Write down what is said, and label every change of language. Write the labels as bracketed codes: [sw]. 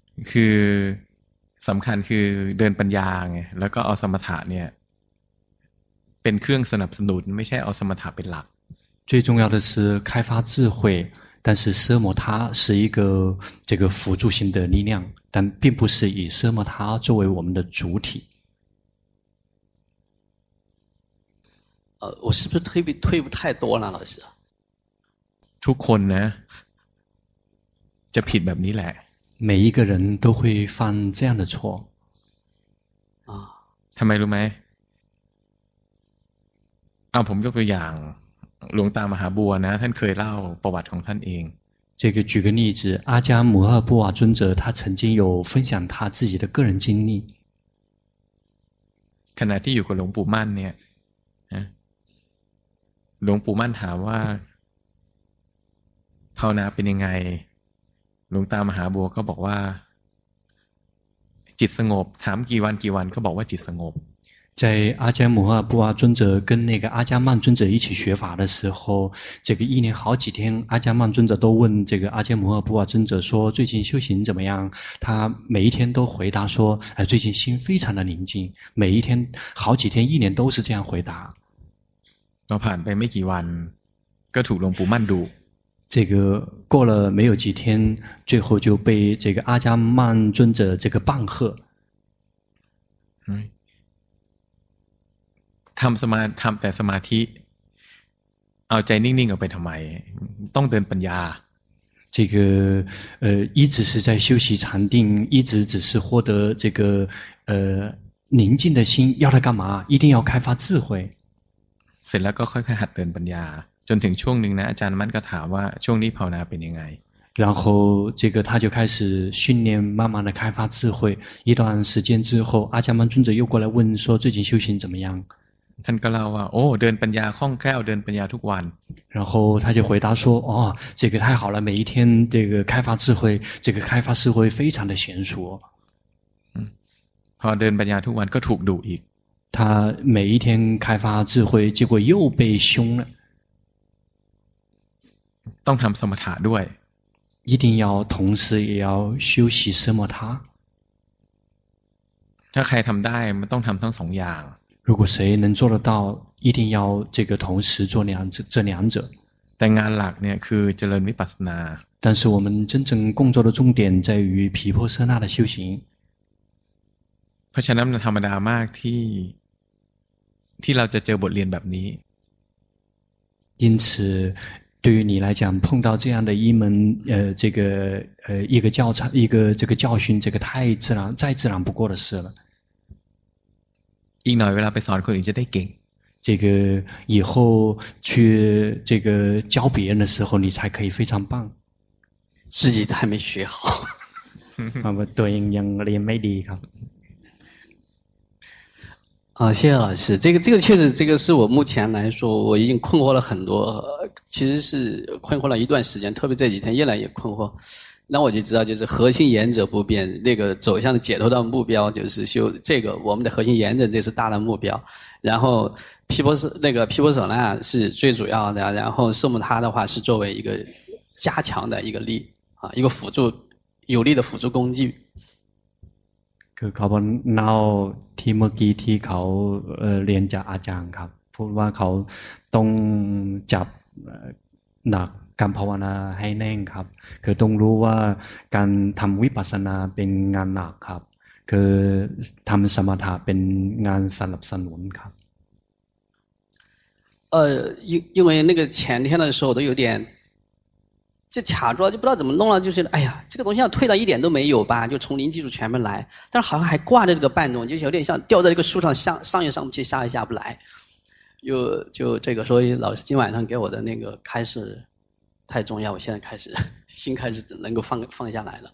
[th] คือสำคัญคือเดินปัญญาไงแล้วก็เอาสมถะเนี่ยเป็นเครื่องสนับสนุนไม่ใช่เอาสมถะเป็นหลัก [zh] 最重要的是开发智慧但是奢摩他是一个这个辅助性的力量但并不是以奢摩他作为我们的主体我是不是退步太多了老师 [th] ทุกคนนะจะผิดแบบนี้แหละ [zh] 每一个人都会犯这样的错 [th] ทำไมรู้ไหมผมยกตัวอย่างหลวงตามหาบัวนะท่านเคยเล่าประวัติของท่านเอง [zh] 这个举个例子阿迦摩诃布瓦尊者他曾经有分享他自己的个人经历 [th] ขณะที่อยู่กับหลวงปู่มั่นเนี่ยหลวงปู่มั่นถามว่าภาวนาเป็นยังไงหลวงตามหาบัวก็บอกว่าจิตสงบถามกี่วันก็บอกว่าจิตสงบ [zh] 在阿迦摩诃布瓦尊者跟那个阿迦曼尊者一起学法的时候，这个一连好几天，阿迦曼尊者都问这个阿迦摩诃布瓦尊者说：“最近修行怎么样？” 他每一天都回答说：“最近心非常的宁静。” 每一天好几天一年都是这样回答。我 [th] ผ่านไปไม่กี่วันก็ถูกหลวงปู่มั่นดู [zh] 这个过了没有几天，最后就被这个阿迦曼尊者这个棒喝。 [th] ทำสมาทำแต่สมาธิเอาใจนิ่งๆเอาไปทำไมต้องเดินปัญญา [zh] 这个一直是在修习禅定一直只是获得这个宁静的心要它干嘛一定要开发智慧 [th] เสร็จแล้วก็ค่อยๆหัดเดินปัญญาจนถึงช่วงนึงนะอาจารย์มันก็ถามว่าช่วงนี้ภาวนาเป็นยังไง [zh] 然后这个他就开始训练慢慢的开发智慧一段时间之后阿迦曼尊者又过来问说最近修行怎么样 [th] ท่านก็เล่าว่าโอ้เดินปัญญาคล่องแคล่วเดินปัญญาทุกวัน [zh] 然后他就回答说哦这个太好了每一天这个开发智慧这个开发智慧非常的娴熟 [th] พอเดินปัญญาทุกวันก็ถูกดุอีก [zh] 他每一天开发智慧结果又被凶了 [th] ต้องทำสมถะด้วย [zh] 一定要同时也要修习什么他 [th] ถ้าใครทำได้มันต้องทำทั้งสองอย่าง [zh] 如果谁能做得到一定要这个同时做这两者 [th] แต่งานหลักเนี่ยคือเจริญวิปัสสนา [zh] 但是我们真正工作的重点在于毗婆舍那的修行 [th] เพราะฉะนั้นธรรมดามากที่เราจะเจอบทเรียนแบบนี้ [zh] 因此对于你来讲碰到这样的一门这个一个教材一个这个教训这个太自然再自然不过的事了 [th] อีกหน่อยเวลาไปสอนคนอื่นจะได้เก่ง [zh] 这个以后去这个教别人的时候你才可以非常棒自己还没学好对应该没理解啊，谢谢老师。这个确实，这个是我目前来说，我已经困惑了很多，其实是困惑了一段时间，特别这几天越来越困惑。那我就知道，就是核心原则不变，那个走向解脱的目标就是修这个，我们的核心原则这是大的目标。然后毗婆舍那个毗婆舍那是最主要的，然后圣母他的话是作为一个加强的一个力啊，一个辅助有力的辅助工具。 [th] คือเขาบอกเราที่เมื่อกี้ที่เขาเรียนจากอาจารย์ครับพูดว่าเขาต้องจับหนักการภาวนาให้แน่งครับคือต้องรู้ว่าการทำวิปัสสนาเป็นงานหนักครับคือทำสมถะเป็นงานสนับสนุนครับ [zh] 因为那个前天的时候都有点就卡住了就不知道怎么弄了就是哎呀这个东西要退到一点都没有吧就从零基础全部来但是好像还挂着这个半动就是有点像吊在这个树上上也上不去下也下不来就这个所以老师今晚上给我的那个开始太重要我现在开始心开始能够放下来了